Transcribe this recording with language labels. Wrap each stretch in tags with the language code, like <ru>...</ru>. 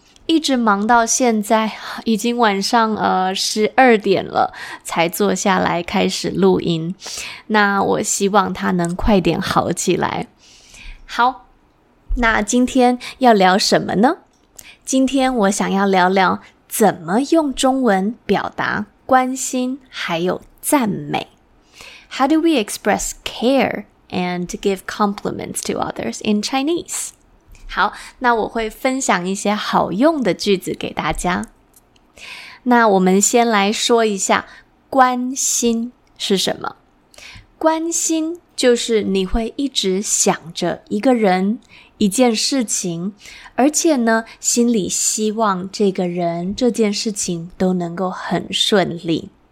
<zh>一直忙到现在，已经晚上12点了，才坐下来开始录音。那我希望他能快点好起来。好，那今天要聊什么呢？今天我想要聊聊怎么用中文表达关心还有赞美。</zh> <en>How do we express care and give compliments to others in Chinese?</en> <zh>好，那我会分享一些好用的句子给大家。那我们先来说一下关心是什么。关心就是你会一直想着一个人，一件事情，而且呢，心里希望这个人，这件事情都能够很顺利。</zh>